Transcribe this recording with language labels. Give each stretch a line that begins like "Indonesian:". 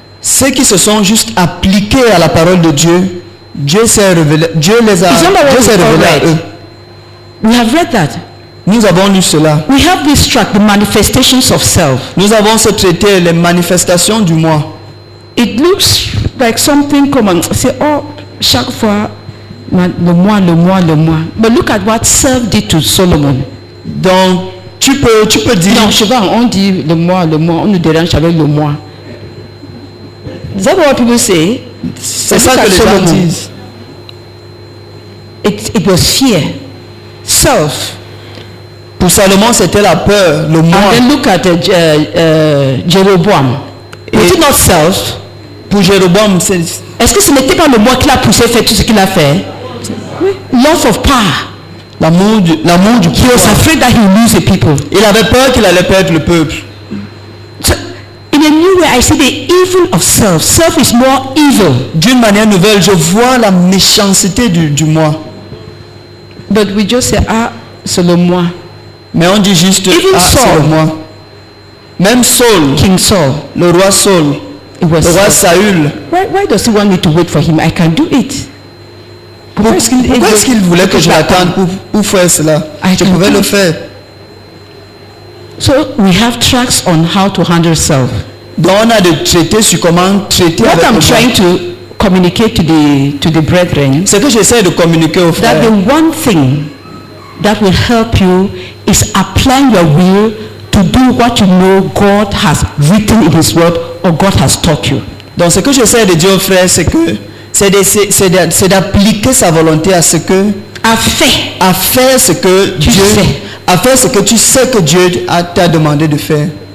French: Ceux qui se sont juste appliqués à la parole de Dieu, Dieu s'est révélé, Dieu les a, Dieu s'est révélé à eux.
English: We have read that.
French: Nous avons lu cela.
English: We have this track, the manifestations of self.
French: Nous avons ce traité, les manifestations du moi.
English: It looks like something common.
French: C'est chaque fois le moi.
English: But look at what self did to Solomon.
French: Donc tu peux dire. Non, souvent on dit le moi, on nous dérange avec le moi.
English: Is that what people say?
French: C'est ça que les gens disent.
English: It was fear, self.
French: Pour Salomon, c'était la peur, le moi.
English: And then look at Jeroboam. Is it not self?
French: Pour Jeroboam, c'est. Est-ce que ce n'était pas le moi qui l'a poussé à faire tout ce qu'il a fait? Oui.
English: Love of power.
French: L'amour du
English: peuple. He was afraid that he would lose the people.
French: Il avait peur qu'il allait perdre le peuple.
English: So, in a new way, I see the evil of self. Self is more evil.
French: D'une manière nouvelle, je vois la méchanceté du moi.
English: But we just say,
French: c'est le moi. Mais on dit juste, c'est le moi. Même Saul.
English: King Saul.
French: Le roi Saul.
English: It was
French: le roi Saül.
English: Why does he want me to wait for him? I can do it.
French: Pourquoi est-ce qu'il voulait que je l'attende pour faire cela? Je pouvais le faire.
English: So we have tracks on how to handle self.
French: Donc on a des traités sur comment traiter.
English: What
French: avec
English: I'm trying to communicate to the brethren.
French: Ce que j'essaie de communiquer aux frères.
English: That the one thing that will help you is applying your will to do what you know God has written in His word or God has taught you.
French: Donc ce que j'essaie de dire aux frères, c'est que c'est d'appliquer sa volonté à ce que à faire ce que tu sais que Dieu t'a demandé de faire.